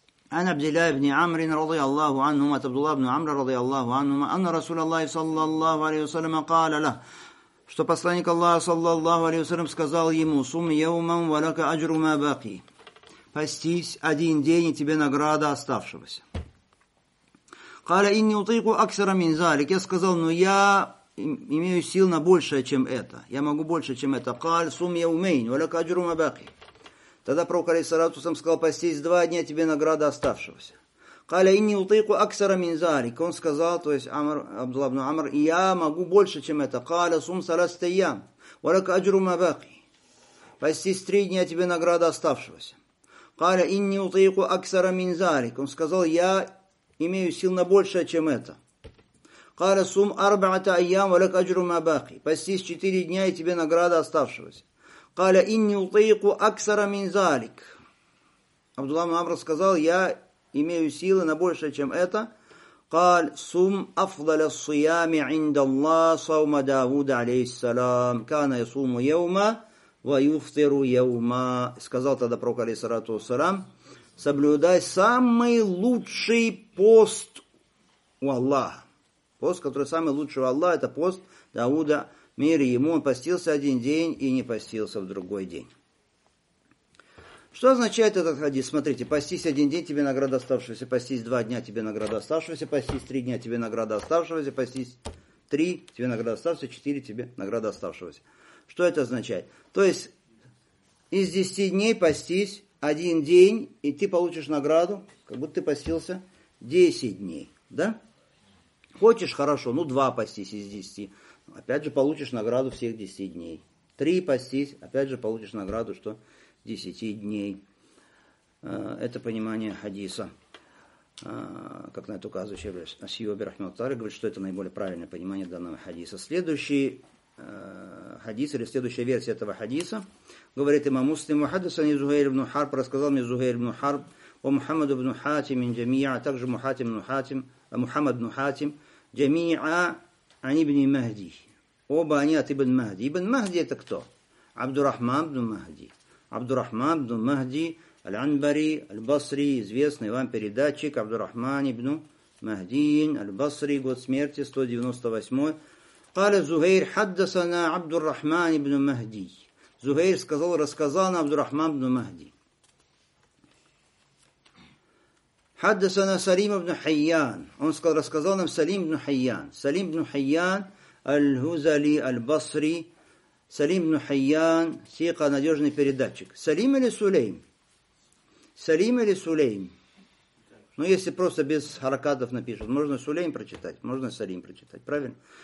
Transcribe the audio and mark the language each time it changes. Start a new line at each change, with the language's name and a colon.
Arabic: عن عبد الله بن عمرو رضي الله عنهما عبد الله بن عمرو رضي الله عنهما أن رسول الله صلى الله عليه وسلم قال له
Russian: что посланник Аллаха صلى الله عليه وسلم сказал ему
Arabic: صُم يوما ولك أجر ما باقي
Russian: постись один день и тебе награда оставшегося.
Arabic: قال إني أطيق أكثر من ذلك.
Russian: Я сказал, но я имею сил на большее, чем это. Я могу больше, чем это.
Arabic: قال صُم يومين ولك أجر ما باقي.
Russian: Тогда пророк, алейхиссалату вассалям, сказал, постись два дня, тебе награда оставшегося.
Arabic: Каля инни утыку аксара мин зарик.
Russian: Он сказал, то есть Амр, Абдулла ибн Амр, я могу больше, чем это.
Arabic: Каля сум саласта ям, валяка аджру мабаки.
Russian: Постись три дня, тебе награда оставшегося.
Arabic: Каля инни утыку аксара мин зарик.
Russian: Он сказал, я имею сил на большее, чем это.
Arabic: Каля сум арбаата айям, валяка аджру мабаки.
Russian: Постись четыре дня, и тебе награда оставшегося.
Arabic: قال إني أطيق أكثر من ذلك.
Russian: عبد الله بن عمر сказал, я имею силы на большее, чем это.
Arabic: قال صوم أفضل الصيام عند الله صوم داود عليه السلام كان يصوم يوما ويفطر يوما.
Russian: Сказал тогда пророк алейхиссалату вассалям, соблюдай самый лучший пост у Аллаха. Пост, который самый лучший у Аллаха, это пост Дауда. Мир ему, он постился один день и не постился в другой день. Что означает этот хадис? Смотрите, постись один день, тебе награда оставшегося, постись два дня, тебе награда оставшегося, постись три дня, тебе награда оставшегося, постись три, тебе награда оставшегося, четыре, тебе награда оставшегося. Что это означает? То есть, из десяти дней постись один день, и ты получишь награду, как будто ты постился десять дней, да? Хочешь, хорошо, ну два постись из десяти. Опять же, получишь награду всех 10 дней. Три постись, опять же, получишь награду, что 10 дней. Это понимание хадиса, как на это указывающий Асиоби Рахмалтари, говорит, что это наиболее правильное понимание данного хадиса. Следующий хадис, или следующая версия этого хадиса, говорит имам Муслим,
Arabic: «Вахадасан Зухейр
Russian: ибн Харб, рассказал мне Зухейр ибн Харб, о Мухаммаду ибн Хатим, ин джамия, а также Мухаммад ибн Хатим, джамия,
Arabic: عن ابن مهدي أبا نيات ابن مهدي ابن مهدي تكتو عبد الرحمن بن مهدي عبد الرحمن بن مهدي العنبري البصري
Russian: известный вам передатчик
Arabic: عبد الرحمن بن مهدي البصري
Russian: год смерти
Arabic: 198 قال زهير حدثنا عبد الرحمن بن مهدي زهير
Russian: сказал рассказал нам
Arabic: عبد الرحمن بن مهدي حدثنا سليم بن حيان.
Russian: Он сказал, рассказал нам Салим ибн Хайян. Салим ибн Хайян, аль-Хузали, аль-Басри. Салим ибн Хайян, сика, надежный передатчик. Салим или Сулейм? Салим или Сулейм? Ну, если просто без харакатов напишут, можно Сулейм прочитать, можно Салим прочитать, правильно?